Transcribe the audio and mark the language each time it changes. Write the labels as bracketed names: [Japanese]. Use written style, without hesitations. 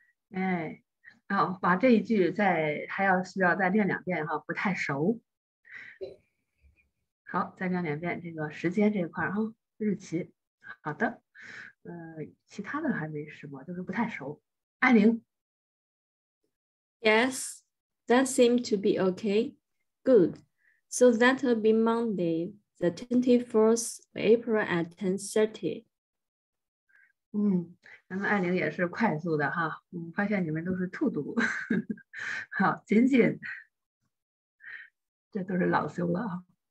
[Chinese] 哎，然后把这一句再还要需要再练两遍哈，不太熟。好，再讲两遍这个时间这一块哈，日期。好的，其他的还没什么，就是不太熟。艾玲 [English] ，Yes, that seems to be okay. Good. So that'll be Monday, the 24th of April at 10:30. [Chinese] 嗯，咱们艾玲也是快速的哈，嗯，发现你们都是兔读。好，紧紧，这都是老修了啊。